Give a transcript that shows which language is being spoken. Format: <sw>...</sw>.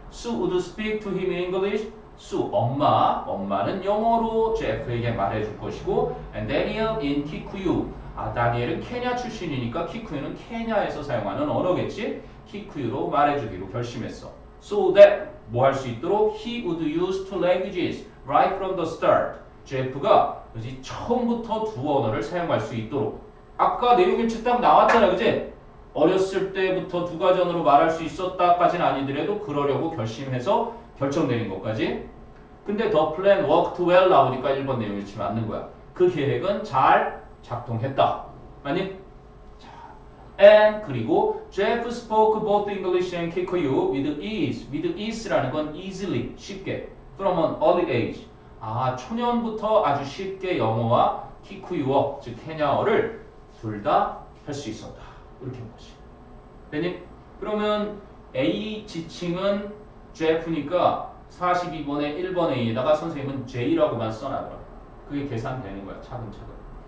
<en>Sue would speak to him in English. Sue,</en> <ko>엄마, 엄마는 영어로 Jeff에게 말해줄 것이고</ko> <en>and Daniel in Kikuyu.</en> <ko>아, 다니엘은 케냐 출신이니까 키쿠유는 케냐에서 사용하는 언어겠지? 키쿠유로 말해주기로 결심했어.</ko> <en>So that,</en> <ko>뭐 할 수 있도록?</ko> <en>He would use two languages right from the start.</en> <ko>제프가 그지? 처음부터 두 언어를 사용할 수 있도록. 아까 내용일치 딱 나왔잖아, 그지? 어렸을 때부터 두 가지 언어로 말할 수 있었다까지는 아니더라도 그러려고 결심해서 결정내린 것까지. 근데</ko> <en>the plan worked well</en> <ko>나오니까 1번 내용일치 맞는 거야. 그 계획은 잘 작동했다. 아니?</ko> <en>자, and</en> <ko>그리고</ko> <en>Jeff spoke both English and Kikuyu with ease. With ease라는 건 easily,</en> <ko>쉽게.</ko> <en>From an early age.</en> <ko>아, 초년부터 아주 쉽게 영어와 Kikuyu어, 즉 케냐어를 둘 다 할 수 있었다. 이렇게 한 거지. 아니? 그러면 A 지칭은 Jeff니까 42번에 1번 A에다가 선생님은 J라고만 써놔더라. 그게 계산되는 거야. 차근차근.</ko>